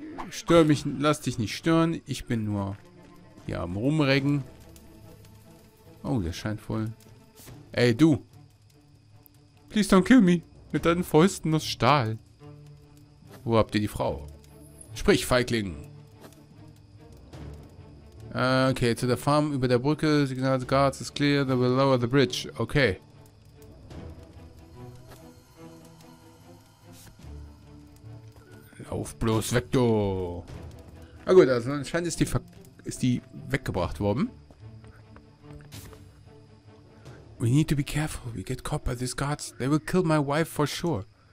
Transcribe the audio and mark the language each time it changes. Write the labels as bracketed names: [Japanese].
[German] Stör mich, lass dich nicht stören. Ich bin nur hier am Rumrecken. Oh, der scheint voll... Ey, du! [English] Please don't kill me. [German] Mit deinen Fäusten aus Stahl. Wo habt ihr die Frau? Sprich, Feigling. Okay, zu der Farm über der Brücke. [English] Signal the guards is clear. They will lower the bridge. Okay. [German] Lauf bloß weg, du. Na gut, also anscheinend ist die weggebracht worden. [English] We need to be careful. We get caught by these guards. They will kill my wife for sure.